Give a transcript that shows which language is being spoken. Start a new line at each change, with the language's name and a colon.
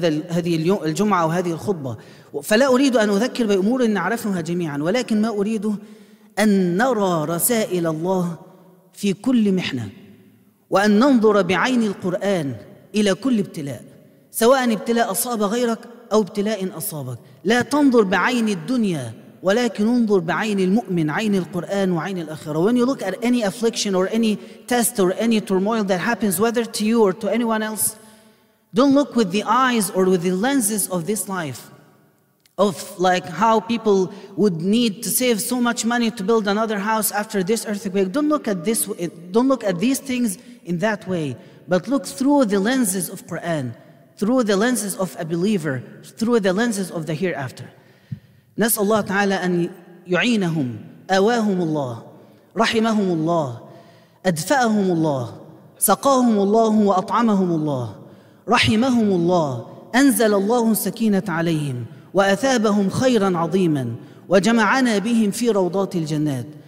Arabic: هذه الجمعة أو هذه الخطبة فلا أريد أن أذكر بأمور نعرفها جميعاً ولكن ما أريده أن نرى رسائل الله في كل محنة وأن ننظر بعين القرآن إلى كل ابتلاء سواء ابتلاء أصاب غيرك أو ابتلاء أصابك لا تنظر بعين الدنيا ولكن انظر بعين المؤمن عين القرآن وعين الآخرة.
English: When you look at any affliction or any test or any turmoil that happens whether to you or to anyone else, Don't look with the eyes or with the lenses of this life, of like how people would need to save so much money to build another house after this earthquake. Don't look at this. Don't look at these things in that way. But look through the lenses of Quran, through the lenses of a believer, through the lenses of the hereafter.
Arabic: نسأل الله تعالى أن يعينهم أواهم الله رحمهم الله أدفأهم الله سقاهم الله وأطعمهم الله رحمهم الله أنزل الله السكينة عليهم وأثابهم خيرا عظيما وجمعنا بهم في روضات الجنات.